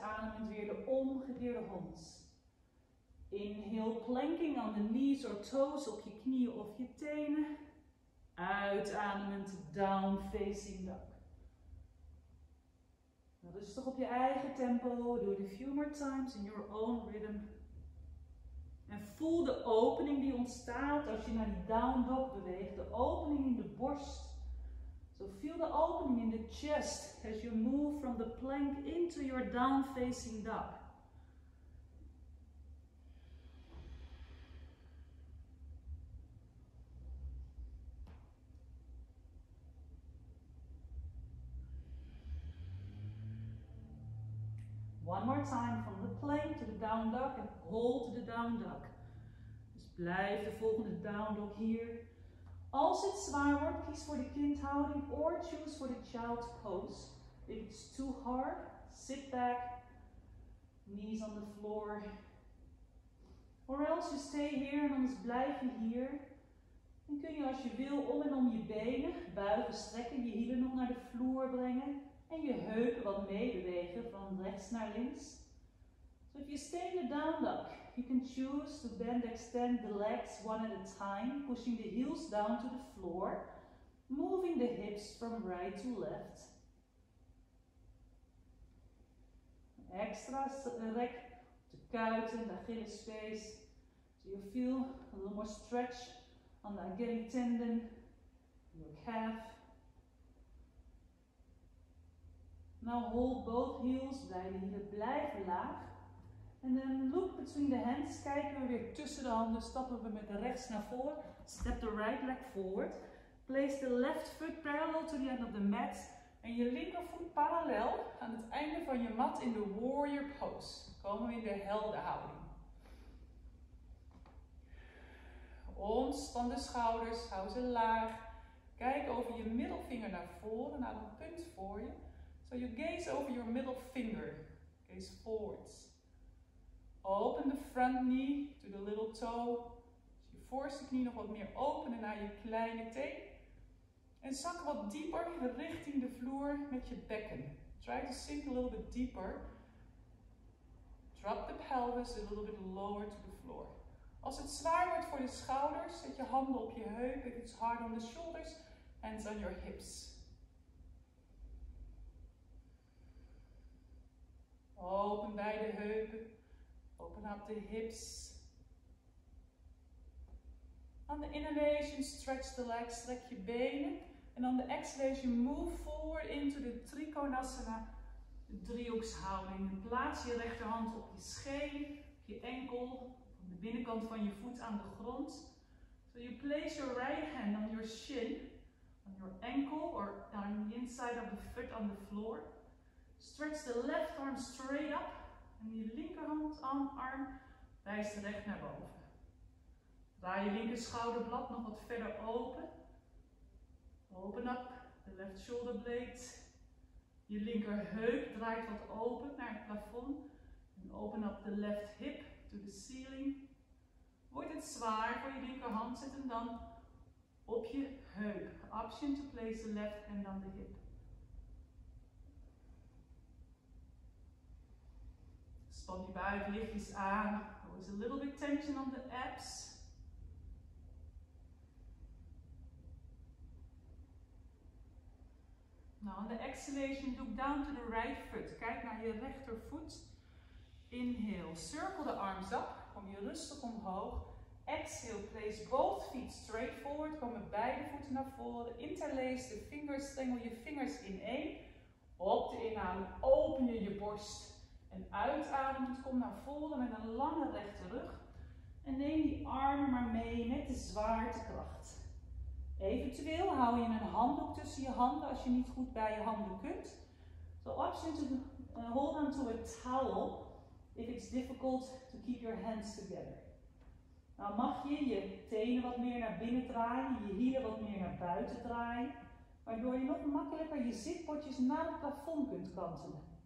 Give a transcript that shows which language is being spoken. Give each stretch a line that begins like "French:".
Dutch: Ademend weer de omgekeerde hand.
English: Inhale, planking on the knees or toes.
Dutch: Op je knieën of je tenen. Uitademend, down facing dog. Dat is toch op je eigen tempo.
English: Do it a few more times in your own rhythm.
Dutch: En voel de opening die ontstaat als je naar die down dog beweegt. De opening in de borst.
English: So feel the opening in the chest as you move from the plank into your down facing dog. One more time from the plank to the down dog and hold the down dog.
Dutch: Dus blijf de volgende down dog hier. Als het zwaar wordt, kies voor de kindhouding
English: or choose for the child's pose. If it's too hard, sit back, knees on the floor. Or else you stay here and
Dutch: anders blijf je hier. Dan kun je als je wil om en om je benen buigen, strekken, je hielen nog naar de vloer brengen. En je heupen wat meebewegen van rechts naar links.
English: So if you stay in the down dog, you can choose to bend, extend the legs one at a time, pushing the heels down to the floor, moving the hips from right to left.
Dutch: Extra rek op de kuiten, de Achillespees.
English: So you feel a little more stretch on the Achilles tendon, your calf. Now hold both heels,
Dutch: beide hielen blijven laag.
English: And then look between the hands,
Dutch: kijken we weer tussen de handen, stappen we met de rechts naar voren.
English: Step the right leg forward. Place the left foot parallel to the end of the mat.
Dutch: En je linkervoet parallel aan het einde van je mat in de warrior pose. Komen we in de heldenhouding. Ontspan de schouders, hou ze laag. Kijk over je middelvinger naar voren, naar een punt voor je.
English: So you gaze over your middle finger, gaze forwards. Open the front knee to the little toe. So you force the knee
Dutch: nog wat meer openen naar je kleine teen. En zak wat dieper richting de vloer met je bekken.
English: Try to sink a little bit deeper. Drop the pelvis a little bit lower to the floor.
Dutch: Als het zwaar wordt voor de schouders, zet je handen op je heupen.
English: If it's hard on the shoulders, hands on your hips.
Dutch: Open beide heupen.
English: Open up the hips. On the inhalation, stretch the legs,
Dutch: strek je benen.
English: And on the exhalation, move forward into the Trikonasana,
Dutch: de driehoekshouding. En plaats je rechterhand op je scheen, op je enkel, op de binnenkant van je voet aan de grond.
English: So you place your right hand on your shin, on your ankle, or on the inside of the foot on the floor. Stretch the left arm straight up.
Dutch: En je linkerhand arm wijst recht naar boven. Draai je linker schouderblad nog wat verder open.
English: Open up the left shoulder blade.
Dutch: Je linker heup draait wat open naar het plafond. En
English: open up the left hip to the ceiling.
Dutch: Wordt het zwaar voor je linkerhand, zet hem dan op je heup.
English: Option to place the left hand on the hip.
Dutch: Span je buik lichtjes aan.
English: There was a little bit tension on the abs. Now on the exhalation, look down to the right foot.
Dutch: Kijk naar je rechtervoet.
English: Inhale, circle the arms up.
Dutch: Kom je rustig omhoog.
English: Exhale, place both feet straight forward.
Dutch: Komen beide voeten naar voren.
English: Interlace the fingers,
Dutch: stengel je vingers in één. Op de inhalen, open je je borst. En uitademend, kom naar voren met een lange rechte rug. En neem die armen maar mee met de zwaartekracht. Eventueel hou je een handdoek tussen je handen als je niet goed bij je handen kunt.
English: So option to hold onto a towel if it's difficult to keep your hands together.
Dutch: Nou mag je je tenen wat meer naar binnen draaien, je hielen wat meer naar buiten draaien. Waardoor je nog makkelijker je zitbordjes naar het plafond kunt kantelen.